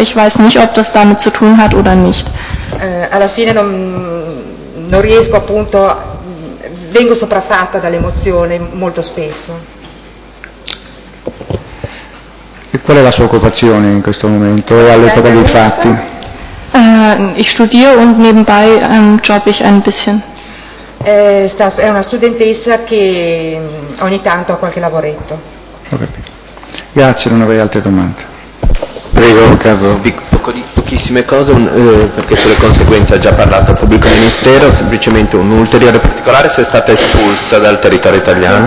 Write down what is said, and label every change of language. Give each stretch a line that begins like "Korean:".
German: Ich weiß nicht, ob das damit zu tun hat oder nicht.
Italian: Alla fine non riesco appunto, vengo sopraffatta dall'emozione molto spesso. E qual è la sua occupazione in questo momento e all'epoca dei fatti?
German: Ich studiere und nebenbei jobbe ich ein bisschen.
Italian: È una studentessa che ogni tanto ha qualche lavoretto. Ho capito. Grazie, non avrei altre domande. Prego, Riccardo. Pochissime cose, perché sulle conseguenze ha già parlato il pubblico ministero, semplicemente un ulteriore particolare, se è stata espulsa dal territorio italiano.